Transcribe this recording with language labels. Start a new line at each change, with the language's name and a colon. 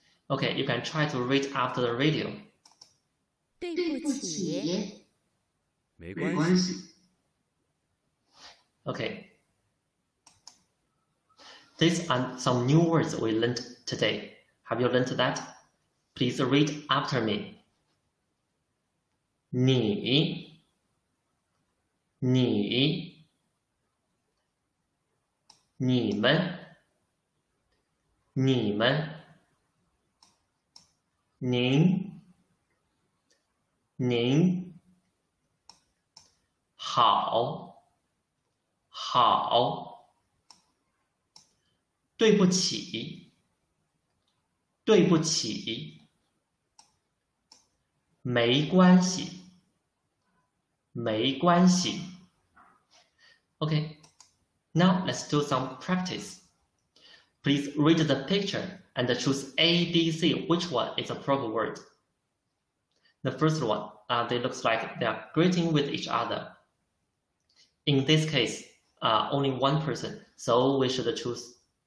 English: Okay, you can try to read after the radio.
Chinese: 对不起, 没关系。
English: Okay. These are some new words we learned today. Have you learned that? Please read after me.
Chinese: 你你你们你们您您好好，对不起，对不起，没关系，没关系。
English: Okay, now let's do some practice. Please read the picture and choose A, B, C. Which one is a proper word? The first one, they looks like they are greeting with each other. In this case, only one person, so we should choose.